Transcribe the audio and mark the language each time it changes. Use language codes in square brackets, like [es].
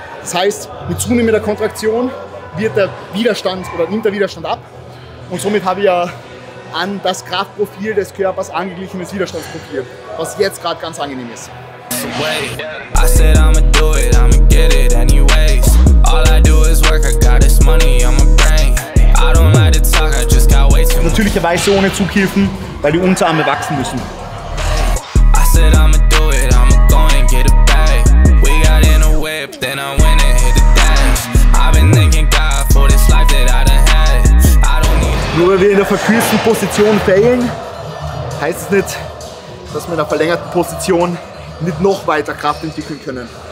[de] Das heißt, mit zunehmender Kontraktion wird der Widerstand oder nimmt der Widerstand ab, und somit habe ich ja an das Kraftprofil des Körpers angeglichenes Widerstandsprofil, was jetzt gerade ganz angenehm ist. [en] I said I'ma do it, I'ma get it anyways. All I do is work, I got this money on my brain. I don't like to talk, I just got way too much. [de] Natürlicherweise ohne Zughilfen, weil die Unterarme wachsen müssen. [en] I said I'ma do it, I'ma go and get a bag. We got in a whip, then I went and hit the dash. I've been thanking God for this life that I done had. I don't need to. [de] Nur weil wir in der verkürzten Position failen, heißt es nicht, dass wir in der verlängerten Position nicht noch weiter Kraft entwickeln können.